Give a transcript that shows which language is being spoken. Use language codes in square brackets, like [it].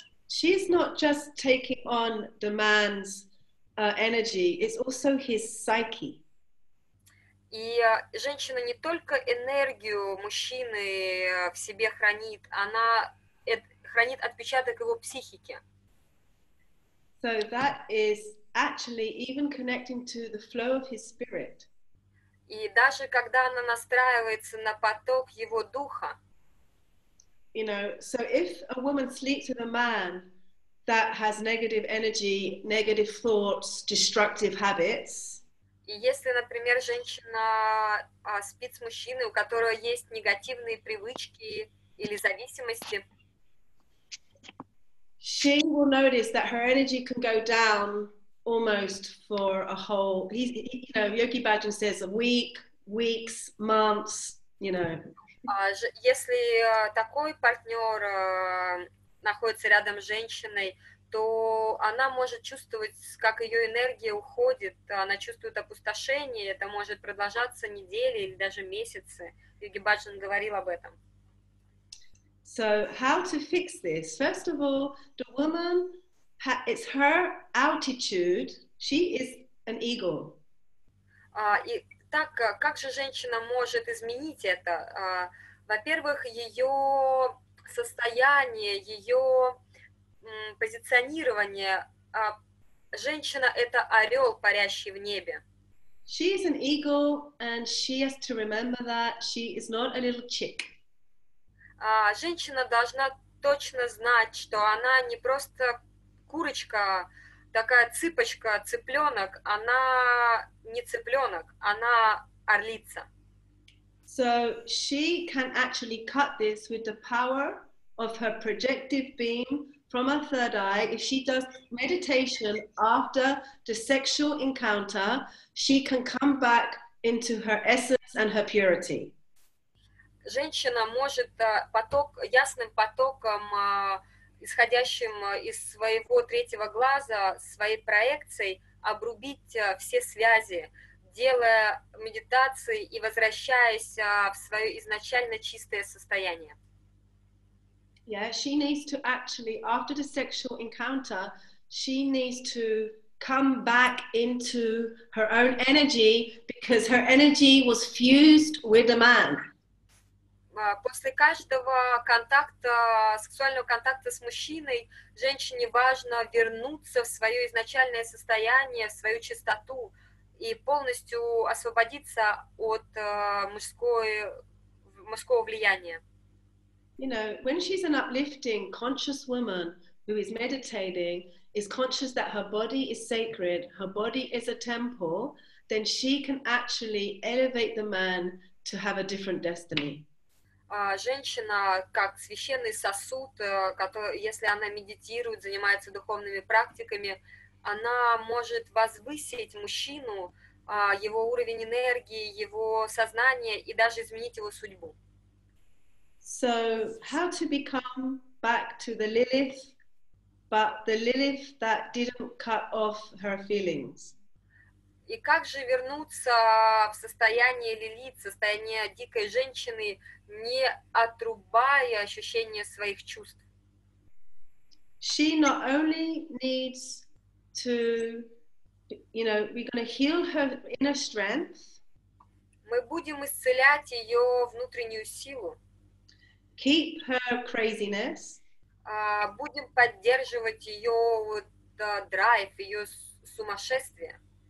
[en] She's not just taking on the man's energy, it's also his psyche. [ru] И женщина не только энергию мужчины в себе хранит, она хранит отпечаток его психики. [en] So that is actually even connecting to the flow of his spirit. [ru] И даже когда она настраивается на поток его духа. [en] You know, so if a woman sleeps with a man that has negative energy, negative thoughts, destructive habits. [ru] И если, например, женщина спит с мужчиной, у которого есть негативные привычки или зависимости. [en] She will notice that her energy can go down. Almost for a whole, you know, Yogi Bhajan says a week, weeks, months, you know. [ru] Если такой партнер находится рядом с женщиной, то она может чувствовать, как ее энергия уходит, она чувствует опустошение, это может продолжаться недели или даже месяцы. Йоги Бхаджан говорил об этом. [en] So how to fix this? First of all, the woman... It's her altitude. She is an eagle. [ru] И так как же женщина может изменить это? Во-первых, ее состояние, ее позиционирование. Женщина — это орел, парящий в небе. [en] She is an eagle, and she has to remember that she is not a little chick. [ru] Женщина должна точно знать, что она не просто курочка, такая цыпочка, цыпленок, она не цыпленок, она орлица. [en] So she can actually cut this with the power of her projective beam from her third eye. If she does meditation after the sexual encounter, she can come back into her essence and her purity. [ru] Женщина может поток, ясным потоком исходящим из своего третьего глаза, своей проекцией, обрубить все связи, делая медитации и возвращаясь в свое изначально чистое состояние. [en] Yeah, she needs to actually, after the sexual encounter, she needs to come back into her own energy, because her energy was fused with a man. [ru] После каждого контакта, сексуального контакта с мужчиной, женщине важно вернуться в свое изначальное состояние, в свою чистоту и полностью освободиться от мужского влияния. [en] You know, when she's an uplifting, conscious woman who is meditating, is conscious that her body is sacred, her body is a temple, then she can actually elevate the man to have a different destiny. [ru] Женщина как священный сосуд, который, если она медитирует, занимается духовными практиками, она может возвысить мужчину, его уровень энергии, его сознание и даже изменить его судьбу. [en] So, how to become back to the Lilith, but the Lilith that didn't cut off her feelings? [ru] И как же вернуться в состояние Лилит, состояние дикой женщины, не отрубая ощущения своих чувств? [en] She not only needs to, you know, we're going to heal her inner strength. [ru] Мы будем исцелять ее внутреннюю силу. [en] Keep her craziness. [ru] Будем поддерживать ее драйв, ее сумасшествие.